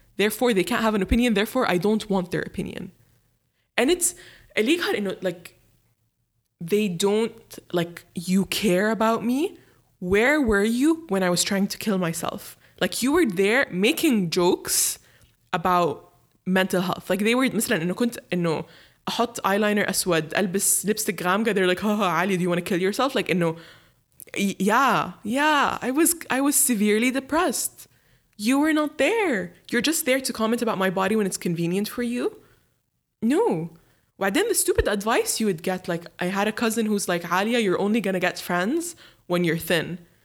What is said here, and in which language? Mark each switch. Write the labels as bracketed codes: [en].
[en] Therefore, they can't have an opinion. Therefore, I don't want their opinion. And it's illegal, you know, like they don't like you care about me. Where were you when I was trying to kill myself? Like you were there making jokes about mental health. Like they were, [ar] مثلا إنه كنت إنه أحط eyeliner أسود ألبس lipstick غامقة. [en] They're like, oh, Ali, do you want to kill yourself? Like إنه yeah, I was severely depressed. You were not there. You're just there to comment about my body when it's convenient for you. No. Well, then the stupid advice you would get, like I had a cousin who's like, Alia, you're only gonna get friends when you're thin.